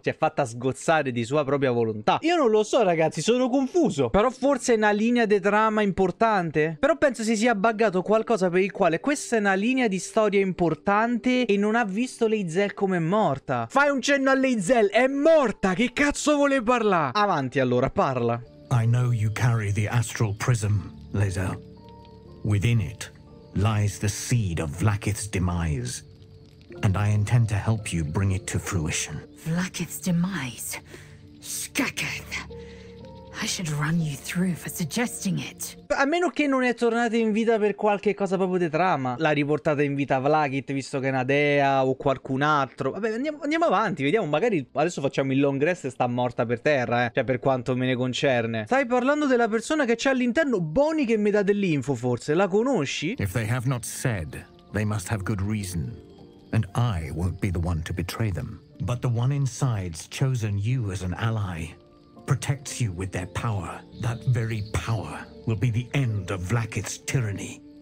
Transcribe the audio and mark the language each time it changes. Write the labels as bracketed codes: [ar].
[it] Si è fatta sgozzare di sua propria volontà. Io non lo so, ragazzi, sono confuso. Però forse è una linea di trama importante. Però penso si sia buggato qualcosa per il quale questa è una linea di storia importante e non ha visto Leizel come morta. Fai un cenno a Leizel, è morta! Che cazzo vuole parlare? Avanti allora, parla. [en] I know you carry the astral prism, Leizel. Within it lies the seed of Vlakith's demise, and I intend to help you bring it to fruition. Vlakith's demise? Skakath! I should run you through for suggesting it. [it] A meno che non è tornata in vita per qualche cosa proprio di trama. L'ha riportata in vita Vlakith, visto che è una dea o qualcun altro. Vabbè, andiamo avanti, vediamo. Magari adesso facciamo il long rest e sta morta per terra, Cioè, per quanto me ne concerne. Stai parlando della persona che c'è all'interno? Boni che mi dà dell'info, forse. La conosci? [en] If they have not said, they must have good reason. And I won't be the one to betray them. But the one inside's chosen you as an ally. Protects you with their power. That very power will be the end of Vlakith's tyranny.